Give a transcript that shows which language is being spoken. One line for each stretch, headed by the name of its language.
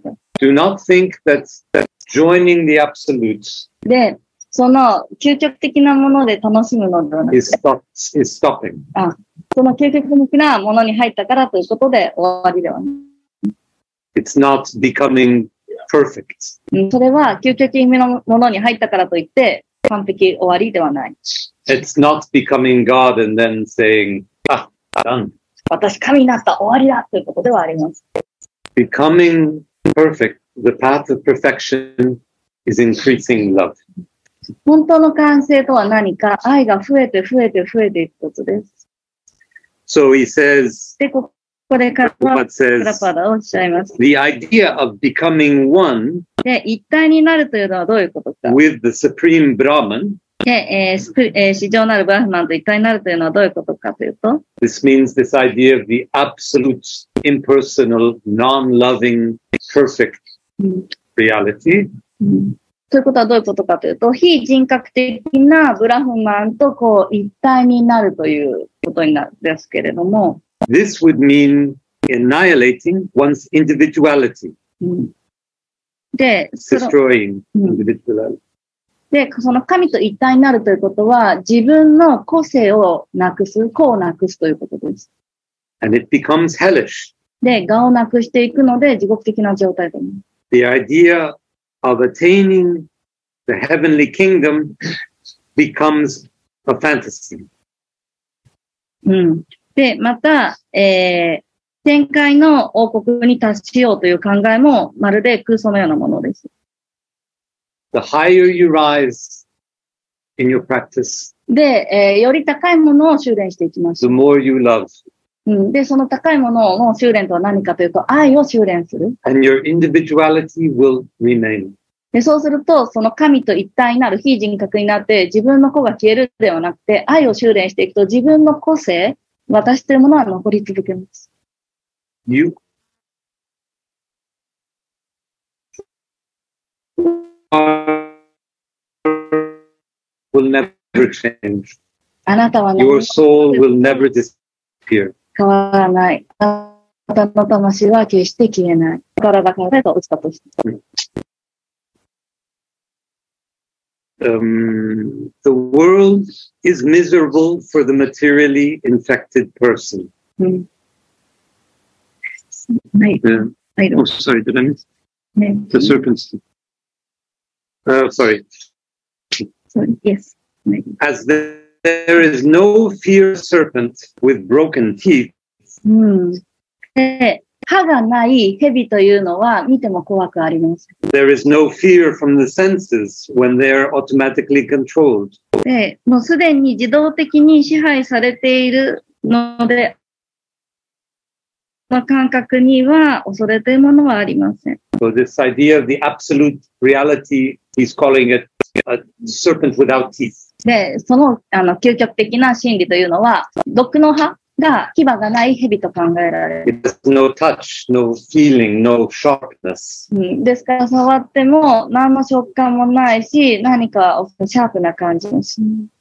Japanese: と。
English: Do not think that joining the absolutes.
Japanese: で、その究極的なもので楽しむのではなくて、
English: is stopping.
Japanese: あ、その究極的なものに入ったからということで終わりではない。
English: It's not becoming perfect.
Japanese: それは究極意味のものに入ったからといって完璧終わりではない。
English: It's not becoming God and then saying, ah, done.
Japanese: 私神になった終わりだということではあります。
English: Becoming perfect. The path of perfection is increasing love.
Japanese: 本当の完成とは何か、愛が増えて増えて増えていくことです。
English: So he says,
Japanese: で、ここでカラパダをおっしゃいます。
English: The idea of becoming one,
Japanese: で、一体になるというのはどういうことか。
English: With the supreme Brahman,
Japanese: で、至上なるブラフマンと一体になるというのはどういうことかというと、
English: This means this idea of the absolute, impersonal, non-loving, perfect,Reality.
Japanese: そういうことはどういうことかというと、非人格的なブラフマンとこう一体になるということになるんですけれども。
English: This would mean annihilating one's individuality.
Japanese: で、
English: destroying individuality.
Japanese: で、その神と一体になるということは、自分の個性をなくす、個をなくすということです。
English: And it becomes hellish.
Japanese: で、我をなくしていくので、地獄的な状態です。
English: The idea of attaining the heavenly kingdom becomes a fantasy.
Japanese: で、また、天界の王国に達しようという考えもまるで空想のようなものです。
English: The higher you rise in your practice,
Japanese: で、より高いものを修練していきます。
English: The more you love.
Japanese: で、その高いものの修練とは何かというと、愛を修練する。
English: And your individuality will remain.
Japanese: で、そうすると、その神と一体になる、非人格になって、自分の子が消えるではなくて、愛を修練していくと、自分の個性、私というものは残り続けます。
English: You? Will never change.
Japanese: あなたは何?
English: Your soul will never disappear.
Japanese: 変わらない。あなたの魂は決して消えない。体から落ちたとして。
English: The world is miserable for the materially infected person. Oh, sorry, did I miss? The serpent's. Sorry. Yes. As there is no fear serpent with broken teeth.
Japanese: で、歯がない蛇というのは見ても怖くありません。
English: There is no fear from the senses when they are automatically controlled.
Japanese: で、もうすでに自動的に支配されているので、その感覚には恐れというものはありません。
English: So this idea of the absolute reality, he's calling it a serpent without teeth.
Japanese: で、その、究極的な真理というのは、毒の歯が牙がない蛇と考えられる。
English: It has no touch, no feeling, no sharpness.
Japanese: ですから触っても何の触感もないし、何かシャープな感じもしない。